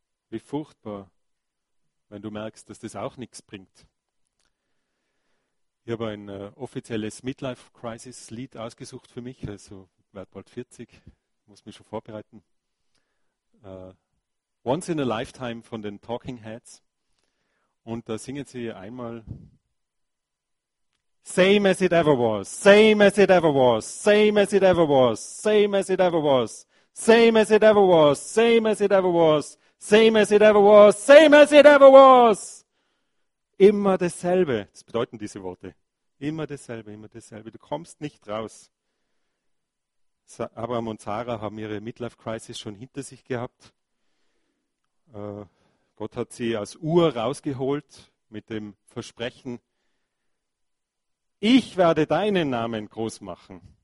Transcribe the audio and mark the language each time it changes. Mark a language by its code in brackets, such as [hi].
[de] Wie furchtbar, wenn du merkst, dass das auch nichts bringt. Ich habe ein offizielles Midlife-Crisis-Lied ausgesucht für mich, also werde bald 40, muss mich schon vorbereiten. Once in a Lifetime von den Talking Heads. Und da singen sie einmal: [en] Same as it ever was, same as it ever was, same as it ever was, same as it ever was, same as it ever was, same as it ever was, same as it ever was, same as it ever was. [de] Immer dasselbe, das bedeuten diese Worte. Immer dasselbe, du kommst nicht raus. Abraham und Sarah haben ihre Midlife-Crisis schon hinter sich gehabt. Gott hat sie aus Ur rausgeholt mit dem Versprechen: Ich werde deinen Namen groß machen.